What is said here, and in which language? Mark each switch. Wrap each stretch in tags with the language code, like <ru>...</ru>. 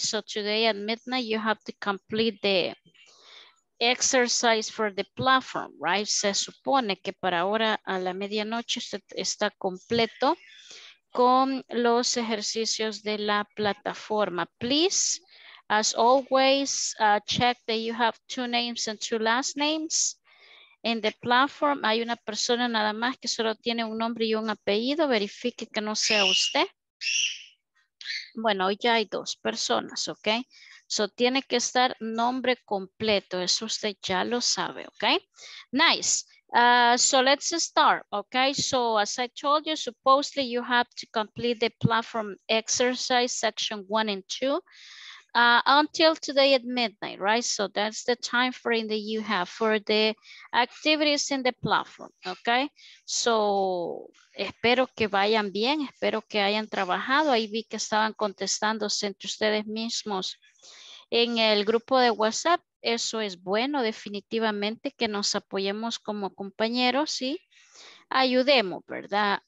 <en>So today at midnight, you have to complete the exercise for the platform, right?</en> <es>Se supone que para ahora a la medianoche usted está completo con los ejercicios de la plataforma.</es> <en>Please, as always, check that you have two names and two last names.</en> <es>En</es> <en>the platform</en> <es>hay una persona nada más que solo tiene un nombre y un apellido. Verifique que no sea usted. Bueno, ya hay dos personas, ¿ok? So tiene que estar nombre completo. Eso usted ya lo sabe, ¿ok?</es> <en>Nice. So let's start, ¿ok? So as I told you, supposedly you have to complete the platform exercise section 1 and 2. Until today at midnight, right? So that's the time frame that you have for the activities in the platform, okay?</en> <es>So, espero que vayan bien, espero que hayan trabajado. Ahí vi que estaban contestándose entre ustedes mismos en el grupo de WhatsApp. Eso es bueno, definitivamente, que nos apoyemos como compañeros y ayudemos, ¿verdad?</es>